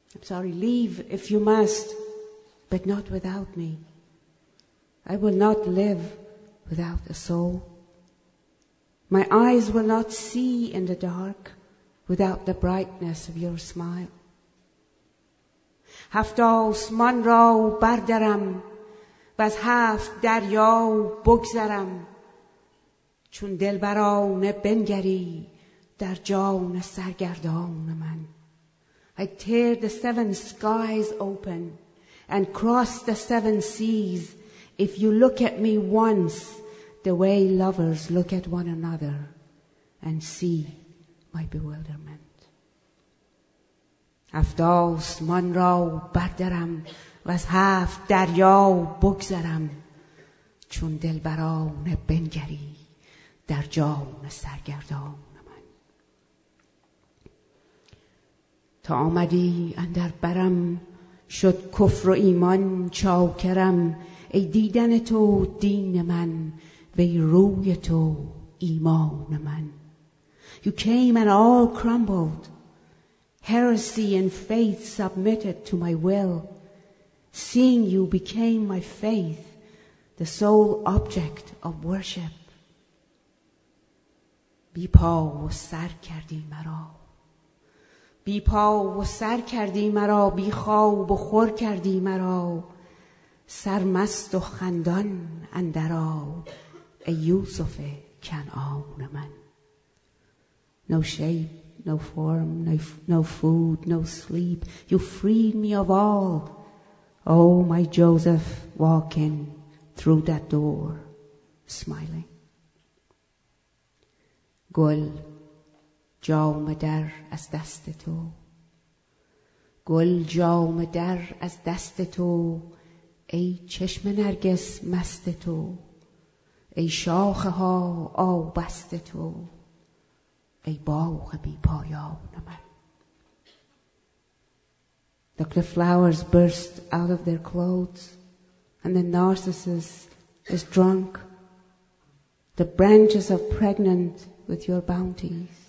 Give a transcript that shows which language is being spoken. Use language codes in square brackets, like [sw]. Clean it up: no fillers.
[en] Leave if you must, but not without me. I will not live without a soul. My eyes will not see in the dark without the brightness of your smile. [fa] هفت آسمان را بردارم و از هفت دریا بگذرم چون دلبرانه بنگری در جان سرگردان من. [en] I tear the seven skies open and cross the seven seas if you look at me once the way lovers look at one another and see my bewilderment. [fa] هفت آسمان را بردارم و از هفت دریا بگذرم، چون دلبران بنگری در جان سرگردان من. تا آمدی اندر برم شد کفر و ایمان چاکرم، ای دیدن تو دین من و ای روی تو ایمان من. [en] You came and all crumbled. Heresy and faith submitted to my will. Seeing you became my faith, the sole object of worship. [fa] بی پا و سر کردی مرا، بی پا و سر کردی مرا، بی خواب و خور کردی مرا، سرمست و خندان اندر آ ای یوسف کنعان من. [en] No shape, no form, no food, no sleep. You freed me of all. Oh, my Joseph, walking through that door, smiling. [fa] گل جام در از دست تو، گل جام در از دست تو، ای چشم نرگس مست تو، ای شاخه ها آبست تو، ای باغ بی پایان من. [en] Like the flowers burst out of their clothes, and the narcissus is drunk, the branches are pregnant with your bounties.